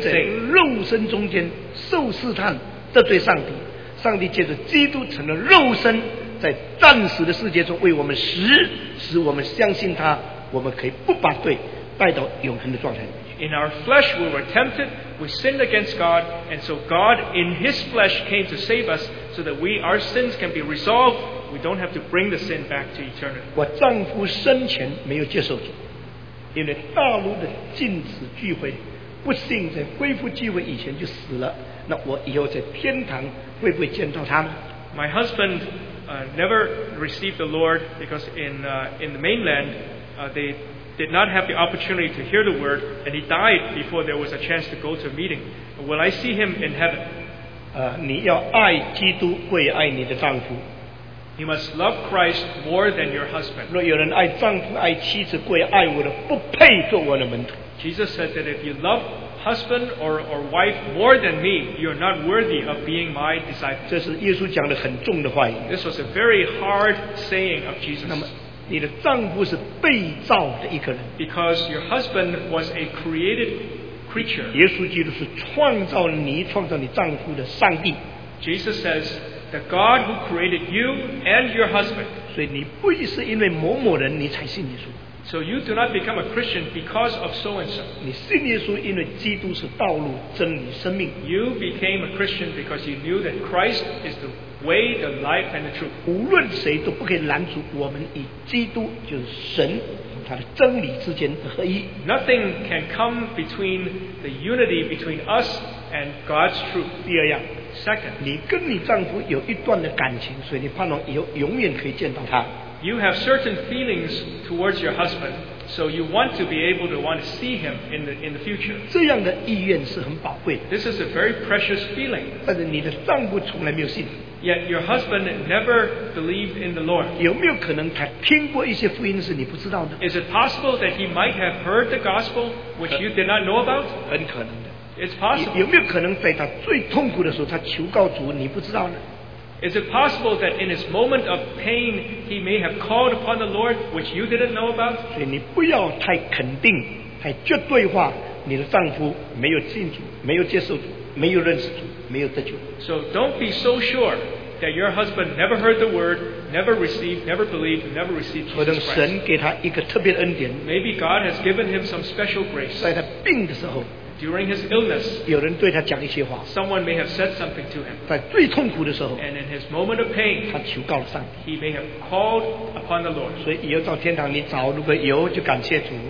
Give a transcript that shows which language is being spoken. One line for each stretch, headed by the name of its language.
Chinese: 人在肉身中间受试探得罪上帝，上帝借着基督成了肉身，在暂时的世界中为我们死，使我们相信他，我们可以不把罪带到永恒的状态。
English: In our flesh we were tempted, we sinned against God, and so God in his flesh came to save us so that our sins can be resolved. We don't have to bring the sin back to eternity.
Chinese: 我丈夫生前没有接受主，因为大陆的禁止聚会，不幸在恢复聚会以前就死了，那我以后在天堂会不会见到他呢？
English: My husband never received the Lord because in the mainland they did not have the opportunity to hear the word, and he died before there was a chance to go to a meeting. Will I see him in heaven?
Chinese: 你要爱基督，会爱你的丈夫。
English: You must love Christ more than your husband.
Chinese: 若有人爱丈夫、爱妻子、会爱我的，不配做我的门徒。
English: Jesus said that if you love husband or wife more than me, you are not worthy of being my disciple.
Chinese: 这是耶稣讲的很重的话语。
English: This was a very hard saying of Jesus.
Chinese: 你的丈夫是被造的一个人。
English: Because your husband was a created creature.
Chinese: 耶稣基督是创造你、创造你丈夫的上帝。
English: Jesus says, the God who created you and your husband.
Chinese: 所以你不是因为某某人你才信耶稣。
English: So you do not become a Christian because of so and so.
Chinese: 你信耶稣因为基督是道路、真理、生命。
English: You became a Christian because you knew that Christ is the way, the life, and the truth.
Chinese: 无论谁都不可以拦阻我们与基督，就是神与他的真理之间的合一。
English: Nothing can come between the unity between us and God's truth.
Chinese: 第二样。
English: Second,
Chinese: 你跟你丈夫有一段的感情，所以你盼望以后永远可以见到他。
English: You have certain feelings towards your husband, so you want to be able to want to see him in the future.
Chinese: 这样的意愿是很宝贵的。
English: This is a very precious feeling.
Chinese: 但是你的丈夫从来没有信。
English: Yet your husband never believed in the Lord.
Chinese: 有没有可能他听过一些福音是你不知道的？
English: Is it possible that he might have heard the gospel which you did not know about?
Chinese: 很可能的。
English: It's possible.
Chinese: 有没有可能在他最痛苦的时候他求告主你不知道呢？
English: Is it possible that in his moment of pain, he may have called upon the Lord, which you didn't know about?
Chinese: 所以你不要太肯定、太绝对化，你的丈夫没有信主、没有接受主、没有认识主、没有得救。
English: So don't be so sure that your husband never heard the word, never received, never believed, never received Jesus Christ.
Chinese: 可能神给他一个特别恩典。
English: Maybe God has given him some special grace.
Chinese: 在他病的时候。
English: During his illness,
Chinese: 有人对他讲一些话。
English: Someone may have said something to him.
Chinese: 在最痛苦的时候。
English: And in his moment of pain,
Chinese: 他求告了上帝。
English: He may have called upon the Lord.
Chinese: 所以以后到天堂你找，如果有就感谢主。